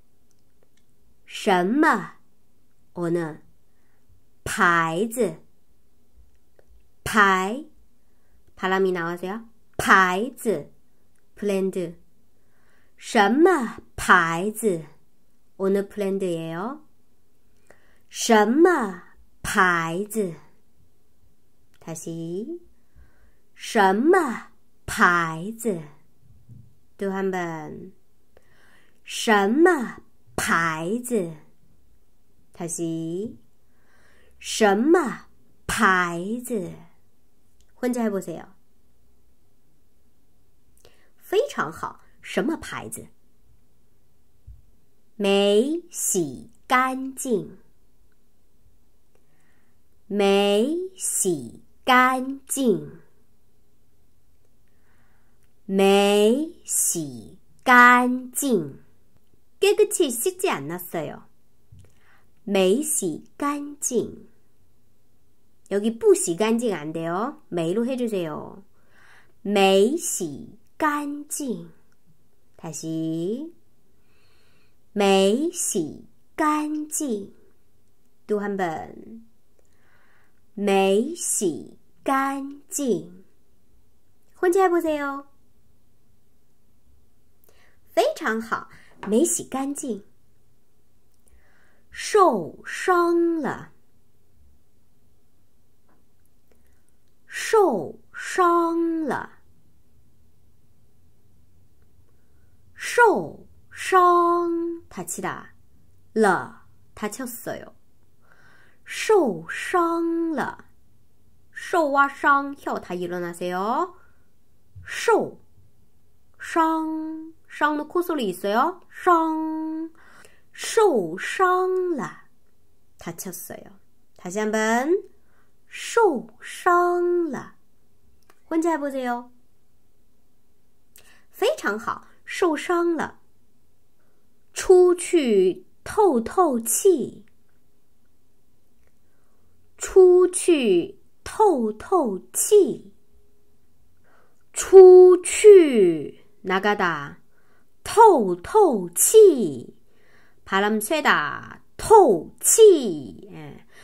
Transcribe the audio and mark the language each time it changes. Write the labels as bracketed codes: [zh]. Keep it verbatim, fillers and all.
[zh] 什么牌子什么牌子什么 [ko] 어느 [zh] 牌子牌 [ko] 바람이 나와서요. 牌子 브랜드. [zh] 什么牌子 [ko] 어느 브랜드예요. [zh] 什么牌子 [ko] 다시 [zh] 什么牌子 [ko] 또 한 번. [zh] 什么牌子 [ko] 다시 [zh] 什么牌子 [ko] 혼자 해보세요. [zh] 非常好,什么牌子 没洗干净没洗干净没洗干净 [ko] 깨끗이 씻지 않았어요. [zh] 没洗干净 [ko] 여기 [zh] 不洗干净 [ko] 안 돼요. 没로 해주세요. [zh] 没洗干净 [ko] 다시 [zh] 没洗干净 [ko] 또 한 번. [zh] 没洗干净 [ko] 혼자 해보세요. [zh] 非常好,没洗干净 受伤了 受伤了受伤 [ko] 다치다 [zh] 了 [ko] 다쳤어요. [zh] 受伤了 [ko] 受와 伤 혀 다 일어나세요. [zh] 受伤 [ko] 伤도 코소리 있어요. [zh] 伤 受伤了 [ko] 다쳤어요. 다시 한번 [zh] 受伤了 [ko] 혼자 해보세요. [zh] 非常好,受伤了 出去透透气出去透透气 出去 [ko] 나가다 [zh] 透透气 [ko] 바람 쐬다 [zh] 透气 [ko] 예.